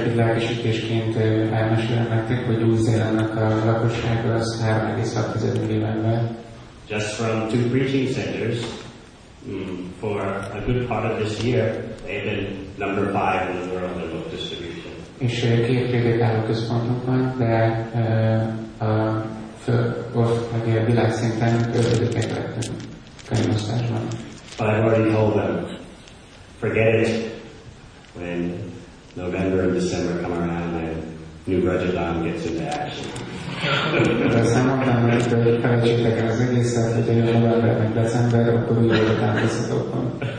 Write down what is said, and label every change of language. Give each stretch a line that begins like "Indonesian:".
Hungarian: Csak egy lelkesítésként elmesélem nektek, hogy Új-Zélandnak a lakossága az 3,6 millió ember.
English: Just from two preaching centers, for a good part of this year, they've been number 5 in the world in book distribution.
Hungarian: És két prédikáló központunkban, de a világszinten ötödikek lettünk könyvosztásban.
English: But I've already told them, forget it. When November and December come around, and New Rajadhan gets into action.